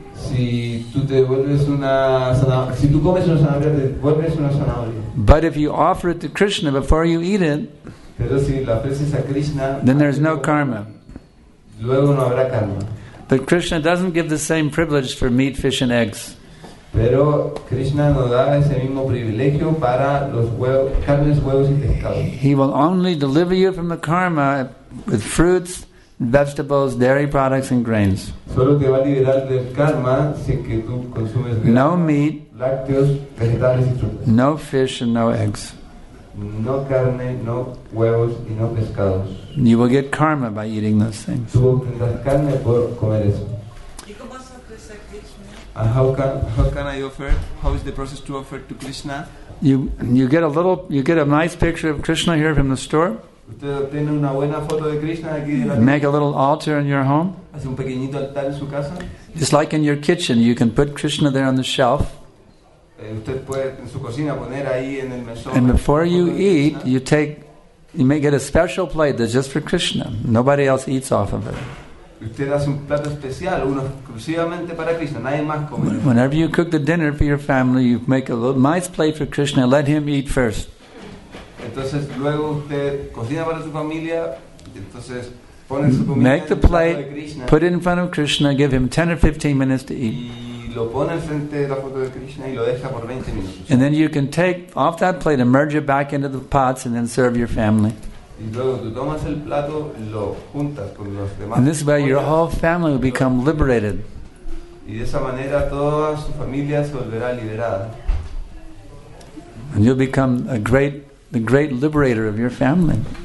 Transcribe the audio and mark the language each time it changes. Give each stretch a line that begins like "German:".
English: But if you offer it to Krishna before you eat it, then there's no karma.
Spanish: Luego no habrá karma.
English: But Krishna doesn't give the same privilege for meat, fish, and eggs.
Spanish: Pero Krishna no da ese mismo privilegio para los huevos, carnes, huevos y pescados.
English: He will only deliver you from the karma with fruits, vegetables, dairy products, and grains.
Spanish: Solo te va a liberar del karma si que tú consumes grasa,
English: no meat,
Spanish: lácteos, vegetales y frutas.
English: No fish and no eggs.
Spanish: No carne, no huevos y no pescados.
English: You will get karma by eating those things.
Spanish: Tú obtendrás carne por comer eso. ¿Y cómo se ofrece a Krishna?
English: How can I offer? How is the process to offer to Krishna? You get a nice picture of Krishna here from the store.
Spanish: Usted obtiene una buena foto de Krishna aquí de la casa.
English: Make a little altar in your home.
Spanish: Hace un pequeñito altar en su casa.
English: Just like in your kitchen, you can put Krishna there on the shelf.
Spanish: Usted puede en su cocina poner ahí en el mesón.
English: And before you eat, you may get a special plate that's just for Krishna. Nobody else eats off of it.
Spanish: Usted hace un plato especial, uno exclusivamente para Krishna, nadie más come.
English: Whenever you cook the dinner for your family, you make a little nice plate for Krishna, let him eat first.
Spanish: Entonces luego usted cocina para su familia, entonces pone su comida.
English: Make the plate, put it in front of Krishna, give him 10 or 15 minutes to eat.
Spanish: Y lo pone enfrente de la foto de Krishna y lo deja por 20 minutos.
English: And then you can take off that plate and merge it back into the pots and then serve your family.
Spanish: Y luego tú tomas el plato, lo juntas con los demás.
English: And this way your whole family will become liberated.
Spanish: Y de esa manera toda su familia se volverá liberada.
English: And you'll become the great liberator of your family.